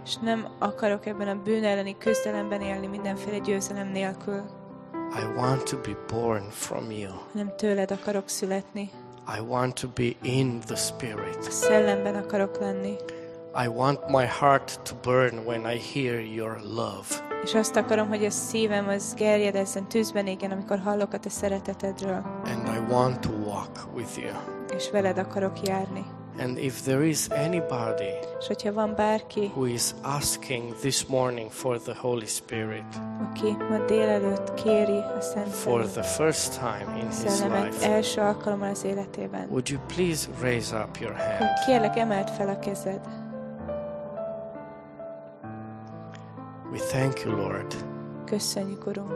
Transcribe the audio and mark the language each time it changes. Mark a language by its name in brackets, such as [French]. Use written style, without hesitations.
[Hungarian] És nem akarok ebben a bűn elleni küzdelemben élni mindenféle győzelem nélkül. [English] I want to be born from you. [Hungarian] Nem tőled akarok születni. [English] I want to be in the Spirit. [Hungarian] A Szellemben akarok lenni. [English] I want my heart to burn when I hear your love. [Hungarian] És azt akarom, hogy a szívem az gerjedezzen, tűzben égen, amikor hallok a te szeretetedről. [English] And I want to walk with you. [Hungarian] És veled akarok járni. [English] And if there is anybody, [Hungarian] és hogyha van bárki, [English] who is asking this morning for the Holy Spirit, [Hungarian] aki ma délelőtt kéri a Szent [English] for the first time in his [Hungarian] Szellemet [English] life, [Hungarian] első alkalommal az életében, [English] would you please raise up your hand? [Hungarian] Kérlek, emeld fel a kezed. [English] We thank you, Lord. [Hungarian] Köszönjük, Urunk,